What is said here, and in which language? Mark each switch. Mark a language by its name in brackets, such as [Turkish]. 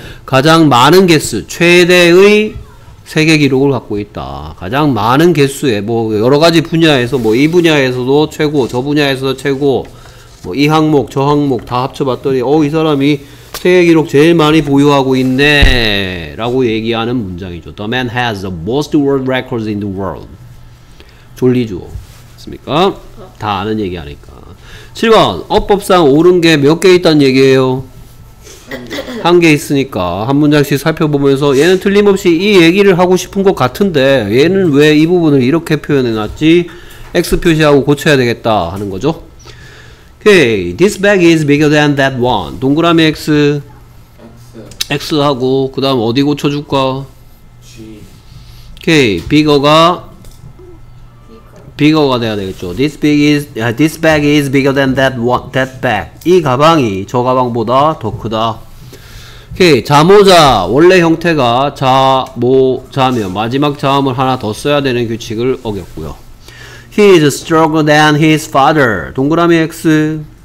[Korean] 가장 많은 개수, 최대의 세계 기록을 갖고 있다. 가장 많은 개수의 뭐 여러 가지 분야에서 뭐 이 분야에서도 최고, 저 분야에서도 최고, 뭐 이 항목, 저 항목 다 합쳐봤더니 이 사람이 세계 기록 제일 많이 보유하고 있네 라고 얘기하는 문장이죠. [English] The man has the most world records in the world. [Korean] 졸리죠. 습니까? 다 아는 얘기 하니까. 7번. 어법상 옳은 게 몇 개 있다는 얘기예요? 한 개 있으니까 한 문장씩 살펴보면서 얘는 틀림없이 이 얘기를 하고 싶은 것 같은데 얘는 왜 이 부분을 이렇게 표현해 놨지? X 표시하고 고쳐야 되겠다 하는 거죠. 오케이. [English] This bag is bigger than that one. [Korean] 동그라미 X. X 하고 그다음 어디 고쳐 줄까? G. 오케이. bigger가 bigger가 돼야 되겠죠. [English] This big is this bag is bigger than that one, that bag. [Korean] 이 가방이 저 가방보다 더 크다. 오케이. 자모자 원래 형태가 자모자면 마지막 자음을 하나 더 써야 되는 규칙을 어겼고요. [English] He is stronger than his father. [Korean] 동그라미 X.